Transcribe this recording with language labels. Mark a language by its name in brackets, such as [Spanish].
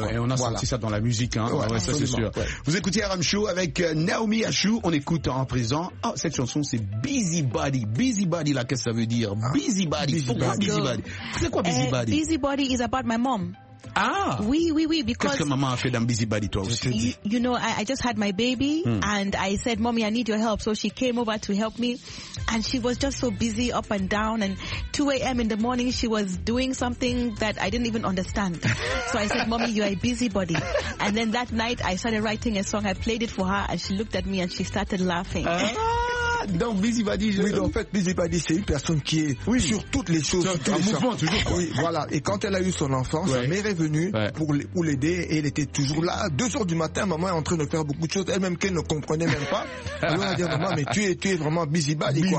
[French] Ouais, et on a senti ça dans la musique, hein. Ça c'est sûr. Ouais. Vous écoutez Aram Show avec Naomi Achou, on écoute en présent. Oh, cette chanson, c'est Busybody. Busybody, là, qu'est-ce que ça veut dire? Busybody. Pourquoi Busybody? C'est quoi Busybody? [English] Busybody is about my mom. [French] Oui, [English] because... [French] Qu'est-ce que maman a fait dans Busybody, toi aussi? [English] You know, I just had my baby, and I said, Mommy, I need your help. So she came over to help me, and she was just so busy up and down, and 2 a.m. in the morning, she was doing something that I didn't even understand. So I said, Mommy, you are a busybody. And then that night, I started writing a song. I played it for her, and she looked at me, and she started laughing. [French] Donc Busybody, en fait Busybody, c'est une personne qui est sur toutes les choses, sur tous les mouvements, toujours. Oui, voilà. Et quand elle a eu son enfant, sa mère est venue pour l'aider, et elle était toujours là. 2 heures du matin, maman est en train de faire beaucoup de choses, elle-même qu'elle ne comprenait même pas. Alors elle a dit, maman, mais tu es vraiment Busybody, quoi.